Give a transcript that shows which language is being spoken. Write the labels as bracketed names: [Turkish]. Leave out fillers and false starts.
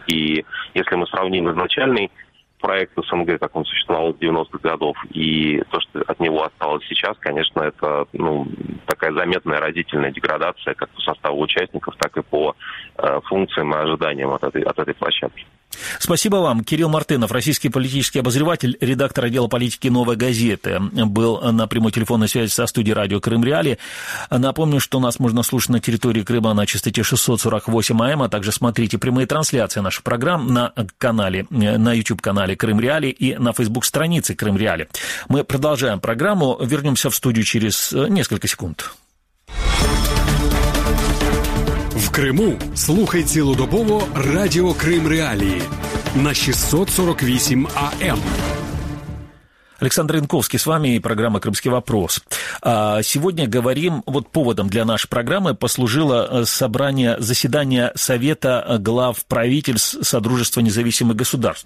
[Russian] И если мы сравним изначальный проект СНГ, как он существовал с 90-х годов, и то, что от него осталось сейчас, конечно, это, ну, такая заметная, разительная деградация как по составу участников, так и по функциям и ожиданиям от этой площадки. Спасибо вам. Кирилл Мартынов, российский политический обозреватель, редактор отдела политики «Новой газеты», был на прямой телефонной связи со студией радио «Крым Реали». Напомню, что нас можно слушать на территории Крыма на частоте 648 АМ, а также смотрите прямые трансляции наших программ на YouTube-канале «Крым Реали» и на Facebook-странице «Крым Реали». Мы продолжаем программу. Вернемся в студию через несколько секунд. [Ukrainian] В Криму слухайте Лудобово Радио Крым Реалії на 648 АМ. [Russian] Александр Янковский с вами и программа «Крымский вопрос». Сегодня говорим, вот поводом для нашей программы послужило заседание Совета глав правительств Содружества независимых государств.